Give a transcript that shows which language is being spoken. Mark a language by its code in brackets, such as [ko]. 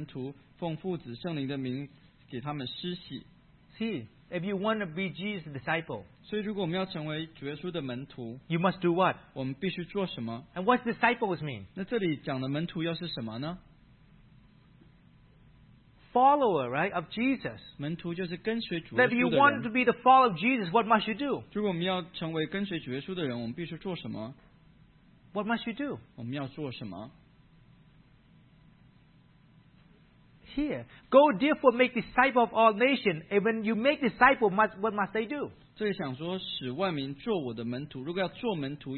[zh] 这里讲说，你们要去使万民做我的门徒，奉父子圣灵的名给他们施洗。 [en] See, if you want to be Jesus' disciple, [zh] 所以如果我们要成为主耶稣的门徒, [en] you must do what? [zh] 我们必须做什么? [en] And what disciples mean? [zh] 那这里讲的门徒又是什么呢? [en] follower, right, of Jesus. [zh] 门徒就是跟随主耶稣的人, [en] that if you want to be the follower of Jesus, what must you do? [zh] 如果我们要成为跟随主耶稣的人, 我们必须做什么? [en] What must you do? [zh] 我们要做什么? [en] Here, go therefore make disciples of all nations. And when you make disciples, what must they do? [zh] 这里想说使万民做我的门徒, 如果要做门徒,